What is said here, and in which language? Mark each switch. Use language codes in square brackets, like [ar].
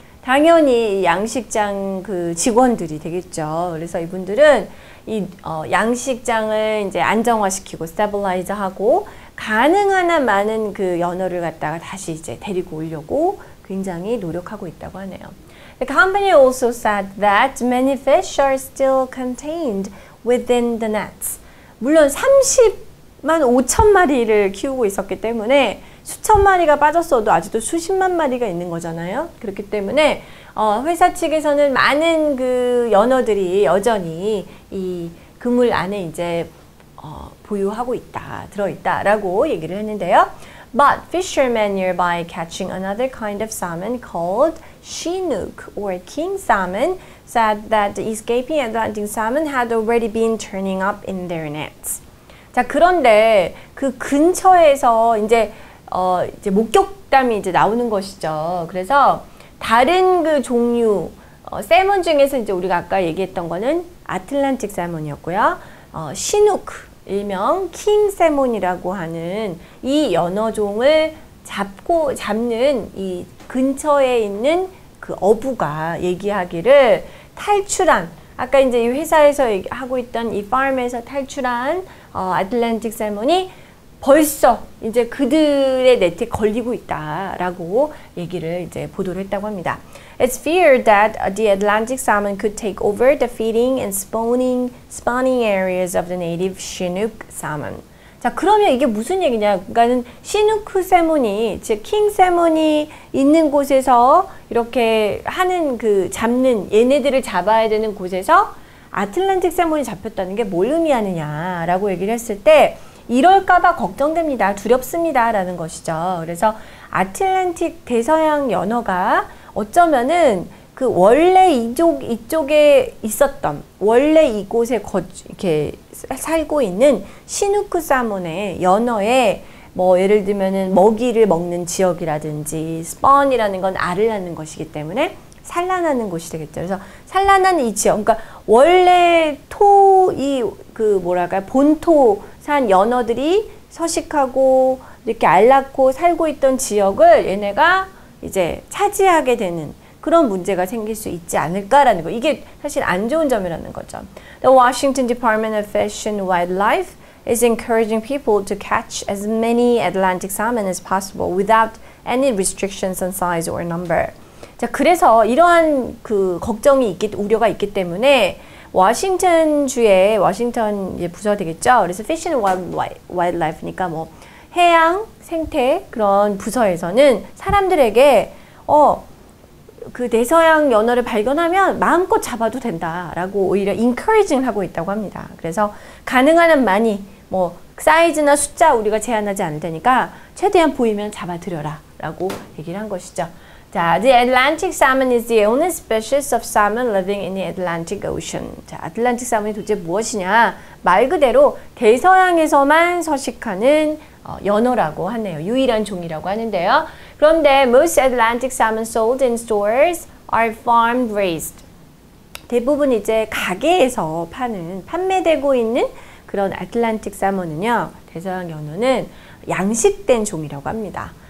[ko] 당연히 양식장 그 직원들이 되겠죠. 그래서 이분들은 이 양식장을 이제 안정화시키고 스테빌라이저하고 가능한 한 많은 그 연어를 갖다가 다시 이제 데리고 오려고 굉장히 노력하고 있다고 하네요. [en] The company also said that many fish are still contained within the nets. [ko] 물론 30만 5천 마리를 키우고 있었기 때문에 수천 마리가 빠졌어도 아직도 수십만 마리가 있는 거잖아요. 그렇기 때문에 회사 측에서는 많은 그 연어들이 여전히 이 그물 안에 이제 보유하고 있다, 들어있다라고 얘기를 했는데요. [en] But fishermen nearby catching another kind of salmon called Chinook or King Salmon said that the escaping Atlantic salmon had already been turning up in their nets. [ko] 자, 그런데 그 근처에서 이제 이제 목격담이 이제 나오는 것이죠. 그래서 다른 그 종류 세몬 중에서 이제 우리가 아까 얘기했던 거는 아틀란틱 세몬이었고요. 시눅 일명 킹 세몬이라고 하는 이 연어종을 잡는 이 근처에 있는 그 어부가 얘기하기를 탈출한 아까 이제 이 회사에서 하고 있던 이 farm에서 탈출한 아틀란틱 세몬이 벌써 이제 그들의 네트에 걸리고 있다라고 얘기를 이제 보도를 했다고 합니다. [en] It's feared that the Atlantic salmon could take over the feeding and spawning areas of the native Chinook salmon. [ko] 자, 그러면 이게 무슨 얘기냐? 그러니까는 Chinook 세몬이 즉 킹 세몬이 있는 곳에서 이렇게 하는 그 잡는 얘네들을 잡아야 되는 곳에서 아틀란틱 세몬이 잡혔다는 게 뭘 의미하느냐라고 얘기를 했을 때 이럴까봐 걱정됩니다. 두렵습니다. 라는 것이죠. 그래서 아틀란틱 대서양 연어가 어쩌면은 그 원래 이쪽에 있었던, 원래 이곳에 이렇게 살고 있는 시누크 사몬의 연어의 뭐 예를 들면은 먹이를 먹는 지역이라든지, 스펀이라는 건 알을 낳는 것이기 때문에 산란하는 곳이 되겠죠. 그래서 산란한 이 지역, 그러니까 원래 토이 그 뭐랄까 본토 산 연어들이 서식하고 이렇게 알 낳고 살고 있던 지역을 얘네가 이제 차지하게 되는 그런 문제가 생길 수 있지 않을까라는 거. 이게 사실 안 좋은 점이라는 거죠. [en] The Washington Department of Fish and Wildlife is encouraging people to catch as many Atlantic salmon as possible without any restrictions on size or number. [ko] 자, 그래서 이러한 그 걱정이 우려가 있기 때문에 워싱턴 주에 워싱턴 이제 부서 되겠죠. 그래서 Fish and Wildlife니까 뭐 해양 생태 그런 부서에서는 사람들에게 그 대서양 연어를 발견하면 마음껏 잡아도 된다라고 오히려 encouraging을 하고 있다고 합니다. 그래서 가능한 한 많이 뭐 사이즈나 숫자 우리가 제한하지 않을 테니까 최대한 보이면 잡아들여라라고 얘기를 한 것이죠. [en] 자, the Atlantic salmon is the only species of salmon living in the Atlantic Ocean. [ko] 자, 아틀란틱 salmon이 도대체 무엇이냐? 말 그대로 대서양에서만 서식하는 연어라고 하네요. 유일한 종이라고 하는데요. [en] 그런데 most Atlantic salmon sold in stores are farm-raised. [ko] 대부분 이제 가게에서 판매되고 있는 그런 아틀란틱 salmon은요, 대서양 연어는 양식된 종이라고 합니다.